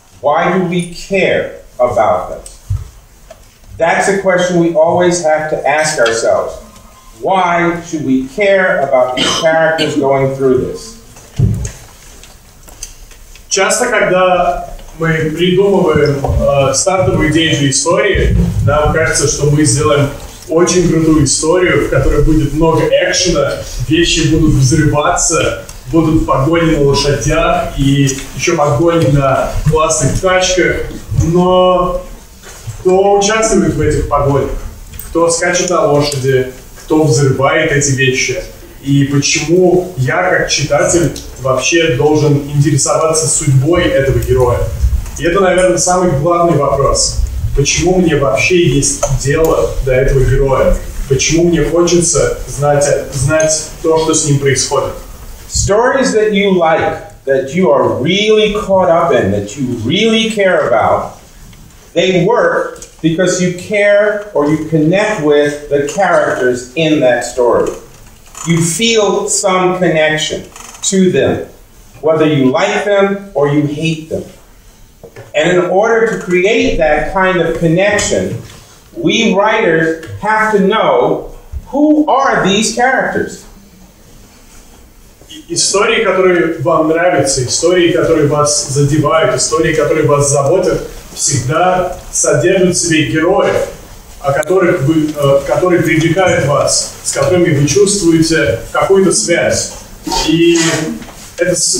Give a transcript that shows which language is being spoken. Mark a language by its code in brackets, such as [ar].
[en] Why do we care about them? That's a question we always have to ask ourselves. Why should we care about these characters going through this? [ru] Часто, когда мы придумываем стартовую идею для истории, нам кажется, что мы сделаем очень крутую историю, в которой будет много экшена, вещи будут взрываться, будут погони на лошадях и еще погони на классных тачках. Но кто участвует в этих погонях? Кто скачет на лошади? Кто взрывает эти вещи? И почему я, как читатель, вообще должен интересоваться судьбой этого героя? И это, наверное, самый главный вопрос. Почему мне вообще есть дело до этого героя? Почему мне хочется знать то, что с ним происходит? [en] Stories that you like, that you are really caught up in, that you really care about, they work because you care or you connect with the characters in that story. You feel some connection to them, whether you like them or you hate them. And in order to create that kind of connection, we writers have to know who are these characters. [ru] Истории, которые вам нравятся, истории, которые вас задевают, истории, которые вас заботят, всегда содержат в себе героев, о которых вы, которые привлекают вас, с которыми вы чувствуете какую-то связь. И это